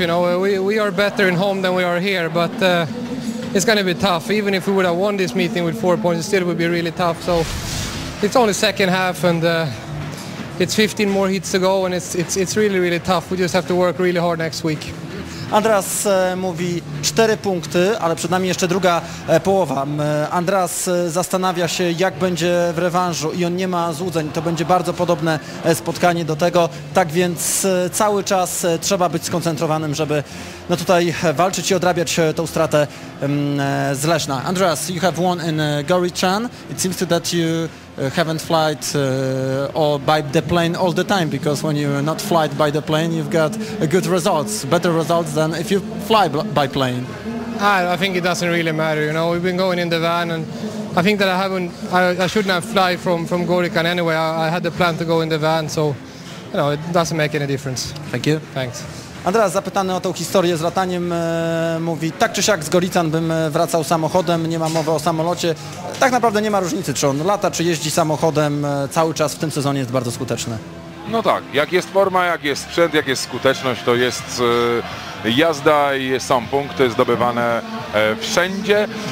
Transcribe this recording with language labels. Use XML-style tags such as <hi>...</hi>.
<en>You know, we are better in home than we are here, but it's going to be tough. Even if we would have won this meeting with 4 points, it still would be really tough. So it's only second half, and it's 15 more heats to go, and it's really really tough. We just have to work really hard next week.</en> <pl>Andreas mówi 4 punkty, ale przed nami jeszcze druga połowa. Andreas zastanawia się, jak będzie w rewanżu i on nie ma złudzeń. To będzie bardzo podobne spotkanie do tego. Tak więc cały czas trzeba być skoncentrowanym, żeby no tutaj walczyć i odrabiać tą stratę z Leszna.</pl> <en>Andreas, you have won in Goriczan. It seems that you haven't flight or by the plane all the time, because when you not flight by the plane, you've got good results, better results than if you fly by plane. I think it doesn't really matter, you know, we've been going in the van, and I think that I shouldn't have fly from Gorican anyway. I had the plan to go in the van, so you know, it doesn't make any difference. Thank you. Thanks.</en> <pl>Andreas, zapytany o tą historię z lataniem, mówi, tak czy siak z Gorican bym wracał samochodem, nie ma mowy o samolocie. Tak naprawdę nie ma różnicy, czy on lata, czy jeździ samochodem, cały czas w tym sezonie jest bardzo skuteczny. No tak, jak jest forma, jak jest sprzęt, jak jest skuteczność, to jest jazda i są punkty zdobywane wszędzie.</pl>